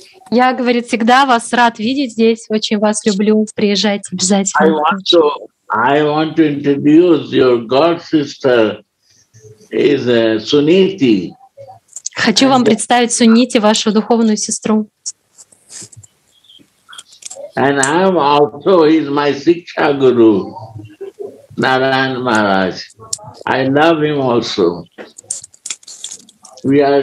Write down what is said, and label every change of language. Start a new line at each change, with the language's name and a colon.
Russian: Я, говорит, всегда вас рад видеть здесь. Очень вас люблю. Приезжайте обязательно.
English: I want to introduce your god sister is Suniti.
Russian: Хочу вам представить Сунити, вашу духовную сестру.
English: And I'm also he's my Siksha Guru. Narayan Maharaj. I love him also. We are